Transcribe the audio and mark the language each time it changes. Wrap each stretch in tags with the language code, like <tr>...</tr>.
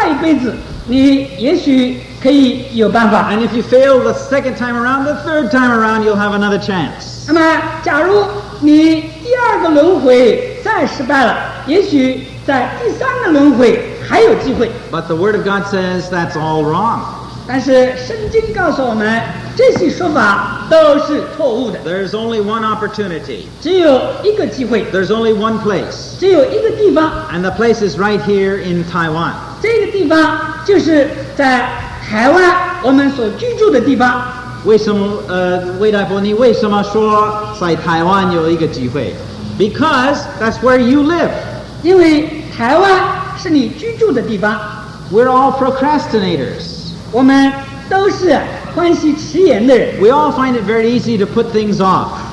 <zh>那么有一些宗教就这样说,假如你在这一世,这一生犯了错误,那么下一生呢,下一辈子,你也许可以有办法。</zh> <en>And if you fail the second time around, the third time around, you'll have another chance.</en> <zh>那么假如你第二个轮回再失败了，也许在第三个轮回还有机会。</zh> <en>But the Word of God says that's all wrong.</en> <zh>但是圣经告诉我们，这些说法都是错误的。</zh> <en>There's only one opportunity.</en> <zh>只有一个机会。</zh> <en>There's only one place.</en> <zh>只有一个地方。</zh> <en>And the place is right here in Taiwan.</en> <zh>这个地方就是在台湾我们所居住的地方。为什么说在台湾有一个机会?</zh> <en>Because that's where you live.</en> <zh>因为台湾是你居住的地方。</zh> <en>We're all procrastinators.</en> <zh>我们都是欢喜迟延的人。</zh> <en>We all find it very easy to put things off.</en>